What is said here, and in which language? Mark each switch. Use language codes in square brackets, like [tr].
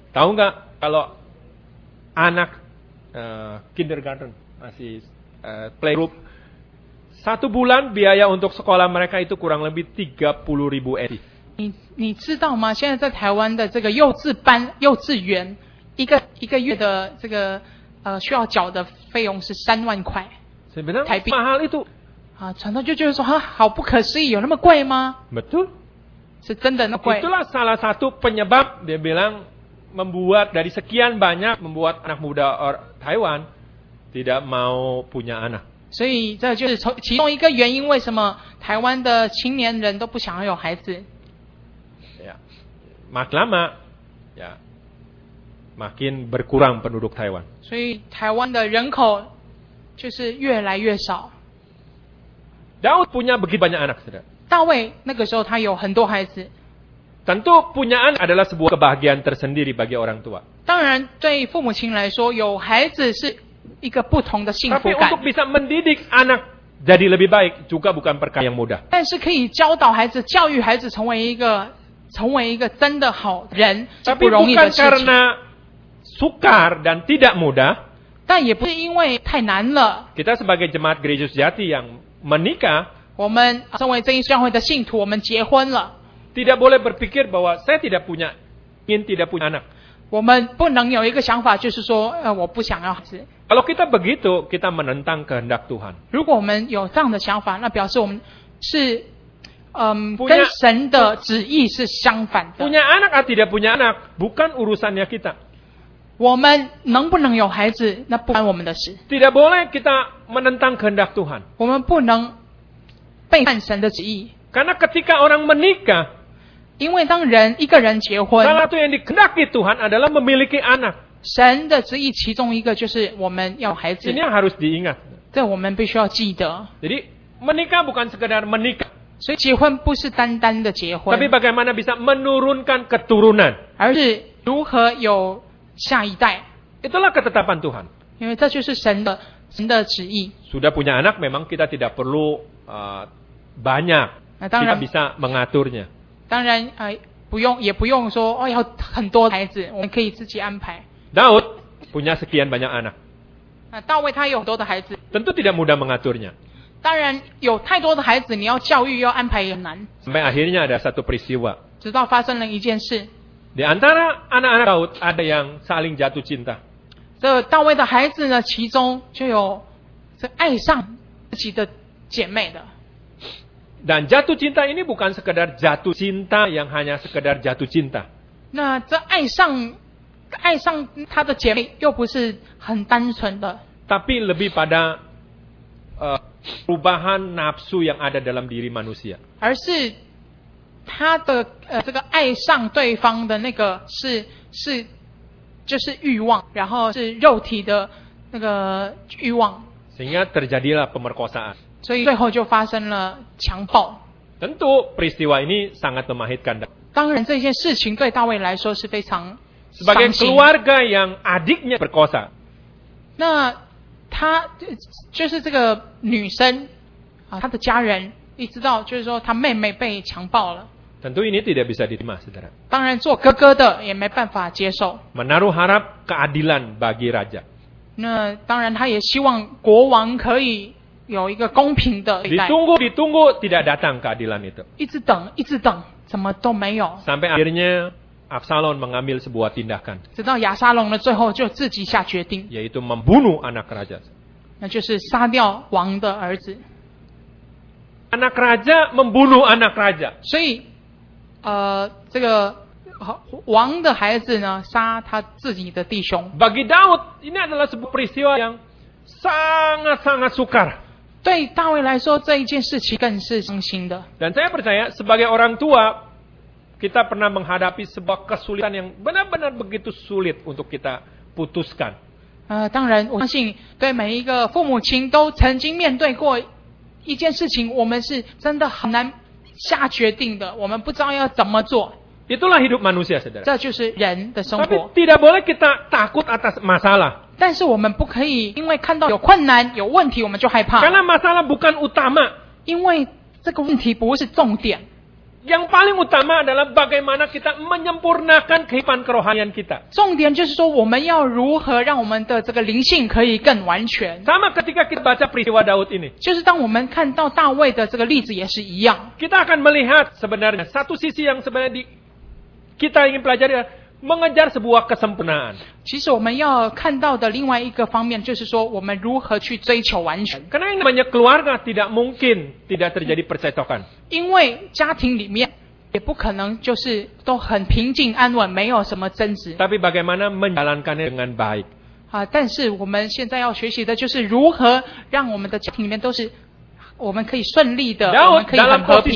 [id] ，Tahu nggak kalau anak kindergarten masih playgroup satu bulan biaya untuk sekolah mereka itu kurang lebih 30.000 RMB. [zh] 你知道吗？现在在台湾的这个幼稚班幼稚园。一个月的这个需要缴的费用是30,000块台币。 [id] mahal itu [zh] 传道就觉得说好不可思议，有那么贵吗？ [id] betul [zh] 是真的那贵。 [id] itulah salah satu penyebab dia bilang membuat dari sekian banyak membuat anak muda Taiwan tidak mau punya anak。 [zh] 所以这就是其中一个原因，为什么台湾的青年人都不想要有孩子。 [id] Mak lama ya. Makin berkurang penduduk Taiwan. [zh] 所以台湾的人口就是越来越少。 [id] Daud punya begitu banyak anak, saudara. [zh] 大卫那个时候他有很多孩子。 [id] Tentu punya anak adalah sebuah kebahagiaan tersendiri bagi orang tua. [zh] 当然对父母亲来说有孩子是一个不同的幸福感。 [id] Tapi untuk bisa mendidik anak jadi lebih baik juga bukan perkara yang mudah. [zh] 但是可以教导孩子教育孩子成为一个真的好人是不容易的事情。 [id] Tapi bukan karena sukar dan tidak mudah. [zh] 但也不是因为太难了。 [id] Kita sebagai jemaat gereja sejati yang menikah. [zh] 我们身为真耶稣教会的信徒，我们结婚了。 [id] Tidak boleh berpikir bahwa saya tidak punya, ingin tidak punya anak. [zh] 我们不能有一个想法，就是说，我不想要孩子。 [id] Kalau kita begitu, kita menentang kehendak Tuhan. [zh] 如果我们有这样的想法，那表示我们是，跟神的旨意是相反的。 [id] Punya anak atau tidak punya anak, bukan urusannya kita. [zh] 我们能不能有孩子那不关我们的事。 [id] Tidak boleh kita menentang kehendak Tuhan. [zh] 我们不能背叛神的旨意。 [id] Karena ketika orang menikah, [zh] 因为当人一个人结婚 [id] salah satu yang dikehendaki Tuhan adalah memiliki anak. [zh] 神的旨意其中一个就是我们要孩子。 [id] Ini yang harus diingat. [zh] 这我们必须要记得。 [id] Jadi, menikah bukan sekedar menikah. [zh] 所以结婚不是单单的结婚。 [id] Tapi bagaimana bisa menurunkan keturunan. [zh] 而是如何有下一代。 [id] Itulah ketetapan Tuhan. [zh] 因为这就是神的旨意。 [id] Sudah punya anak, memang kita tidak perlu banyak. [zh] 那当然 [id] kita bisa mengaturnya. [zh] 当然不用也不用说哦要很多孩子，我们可以自己安排。 [id] Daud punya sekian banyak anak. [zh] 那大卫他有很多的孩子。 [id] Tentu tidak mudah mengaturnya. [zh] 当然有太多的孩子，你要教育要安排也很难。 [id] Sampai akhirnya ada satu peristiwa. [zh] 直到发生了一件事。 [id] Di antara anak-anak Daud ada yang saling jatuh cinta. [zh] 这大卫的孩子呢，其中就有是爱上自己的姐妹的。 [id] Dan jatuh cinta ini bukan sekedar jatuh cinta yang hanya sekedar jatuh cinta. [zh] 那这爱上他的姐妹又不是很单纯的。 [id] Tapi lebih pada perubahan nafsu yang ada dalam diri manusia. [zh] 而是他的这个爱上对方的那个是就是欲望，然后是肉体的那个欲望。 [id] Sehingga terjadilah pemerkosaan. [zh] 所以最后就发生了强暴。 [id] Tentu peristiwa ini sangat memahitkan. [zh] 当然这件事情对大卫来说是非常伤心。 [id] Sebagai keluarga yang adiknya perkosa. [zh] 那他就是这个女生啊，他的家人一知道，就是说他妹妹被强暴了。 [id] Tentu ini tidak bisa diterima, saudara. [zh] 当然做哥哥的也没办法接受。 [id] Menaruh harap keadilan bagi raja. [zh] 那当然他也希望国王可以有一个公平的对待。 [id] Ditunggu, tidak datang keadilan itu. [zh] 一直等，怎么都没有。 [id] Sampai akhirnya Absalom mengambil sebuah tindakan. [zh] 直到亚撒龙的最后就自己下决定。 [id] Yaitu membunuh anak raja. [zh] 那就是杀掉王的儿子。 [id] Anak raja membunuh anak raja. [zh] 所以，这个王的孩子呢，杀他自己的弟兄。 [id] Bagi Daud, ini adalah sebuah peristiwa yang sangat-sangat sukar. [zh] 对大卫来说，这一件事情更是伤心的。 [id] Dan saya percaya sebagai orang tua, kita pernah menghadapi sebuah kesulitan yang benar-benar begitu sulit untuk kita putuskan. [zh] 当然，我相信对每一个父母亲都曾经面对过。一件事情我们是真的很难下决定的，我们不知道要怎么做。 [id] Itulah hidup manusia, saudara. [zh] 这就是人的生活。 [id] Tapi tidak boleh kita takut atas masalah. [zh] 但是我们不可以因为看到有困难有问题我们就害怕。 [id] Karena masalah bukan utama. [zh] 因为这个问题不是重点。 [id] Yang paling utama adalah bagaimana kita menyempurnakan kehidupan kerohanian kita. [zh] 重点就是说我们要如何让我们的这个灵性可以更完全。 [id] Sama ketika kita baca peristiwa Daud ini. [zh] 就是当我们看到大卫的这个例子也是一样。 [id] Kita akan melihat sebenarnya satu sisi yang sebenarnya kita ingin pelajari adalah mengejar sebuah kesempurnaan. [zh] 其实我们要看到的另外一个方面就是说我们如何去追求完全。 [id] Karena yang namanya keluarga tidak mungkin tidak terjadi percekcokan. [zh] 因为家庭里面也不可能就是都很平静安稳，没有什么争执。 [id] Tapi bagaimana menjalankannya dengan baik. [zh] 但是我们现在要学习的就是如何让我们的家庭里面都是我们可以顺利的，我们可以很和平。